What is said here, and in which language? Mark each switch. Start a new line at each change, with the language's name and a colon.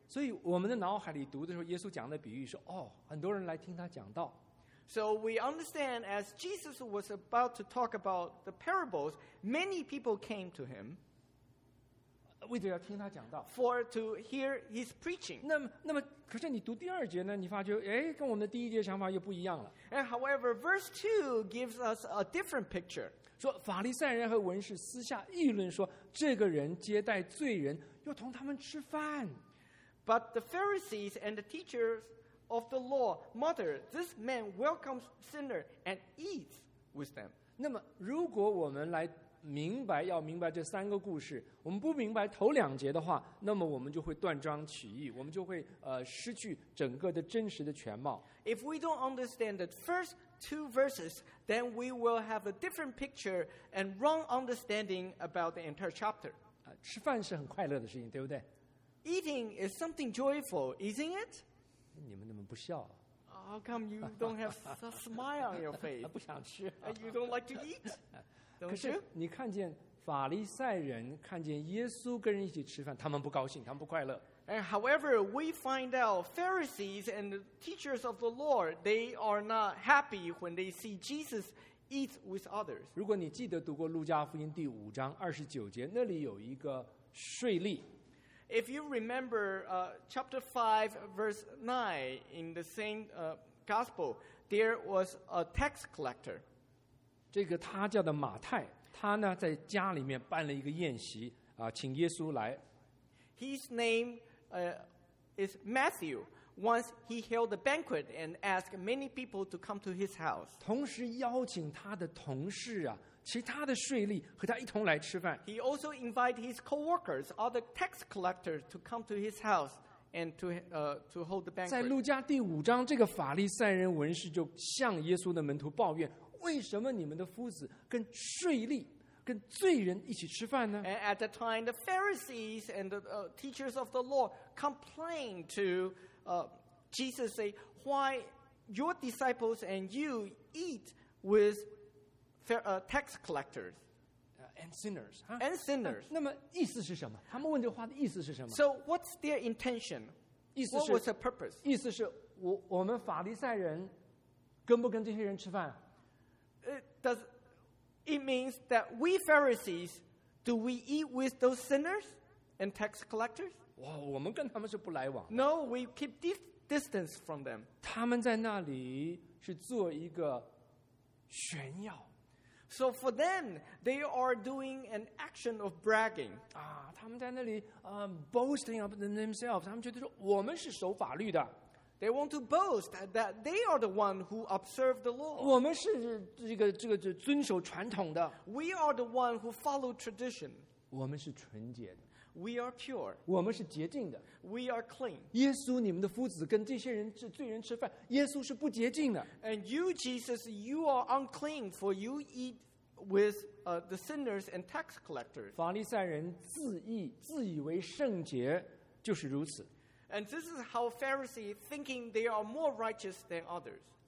Chinese: 所以我们的脑海里读的时候，耶稣讲的比喻是，哦，很多人来听他讲道。
English: So we understand as Jesus was about to talk about the parables, many people came to him.
Chinese: 为了要听他讲道
English: ，for to hear his preaching.
Chinese: 那么，可是你读第二节呢？你发觉，哎，跟我们的第一节想法又不一样了。
English: And however, verse 2 gives us a different picture.
Chinese: 说法利赛人和文士私下议论说，这个人接待罪人，又同他们吃饭。
English: But the Pharisees and the teachers of the law muttered, "This man welcomes sinners and eats with them."
Chinese: 那么，如果我们来明白要明白这三个故事，我们不明白头两节的话，那么我们就会断章取义，我们就会失去整个的真实的全貌。
English: If we don't understand the first two verses, then we will have a different picture and wrong understanding about the entire chapter.
Chinese: 吃饭是很快乐的事情，对不对
English: ？Eating is something joyful, isn't it?
Chinese: 你们怎么不笑？
English: How come you don't have a smile on your face?
Chinese: 不想吃。
English: You don't like to eat?
Chinese: 可是你看见法利赛人看见耶稣跟人一起吃饭，他们不高兴，他们不快乐。
English: And however, we find out Pharisees and the teachers of the law, they are not happy when they see Jesus eat with others.
Chinese: 如果你记得读过路加福音第五章二十九节，那里有一个税吏。
English: If you remember, chapter 5, verse 9, in the same gospel, there was a tax collector.
Chinese: 这个他叫的马太，他呢在家里面办了一个宴席啊，请耶稣来。
English: His name is Matthew. Once he held a banquet and asked many people to come to his house.
Chinese: 同时邀请他的同事啊。其他的税吏和他一同来吃饭。
English: He also invited his co-workers, all the tax collectors, to come to his house and to hold the banquet.
Chinese: 在路加第五章，这个法利赛人文士就向耶稣的门徒抱怨：为什么你们的夫子跟税吏、跟罪人一起吃饭呢
English: ？And at the time, the Pharisees and the teachers of the law complained to Jesus, say, "Why your disciples and you eat with?" Tax collectors and sinners,、 huh? and sinners.
Chinese: 那么意思是什么？他们问这话的意思是什么
English: ？So what's their intention?
Chinese: 意思是,
English: what was the purpose?
Chinese: 意思是, 我们法利赛人, 跟不跟这些人吃饭?
English: It means that we Pharisees, do we eat with those sinners and tax collectors?
Chinese: 哇, 我们跟他们是不来往的。
English: No, we keep distance from them.
Chinese: 他们在那里是做一个炫耀。
English: So for them, they are doing an action of bragging.
Chinese: 啊, 他们在那里,
English: boasting of themselves.
Chinese: 他们觉得说我们是守法律的。
English: They want to boast that they are the one who observe the law.
Chinese: 我们是这个遵守传统的。
English: We are the one who follow tradition.
Chinese: 我们是纯洁的。
English: We are pure.
Chinese: 我们是洁净的。
English: We are clean.
Chinese: 耶稣，你们的夫子跟这些人是罪人吃饭。耶稣是不洁净的。
English: And you, Jesus, you are unclean, for you eat with the sinners and tax collectors.
Chinese: 法利赛人自以为圣洁，就是如此。
English: And this is how Pharisees thinking they are more righteous than others.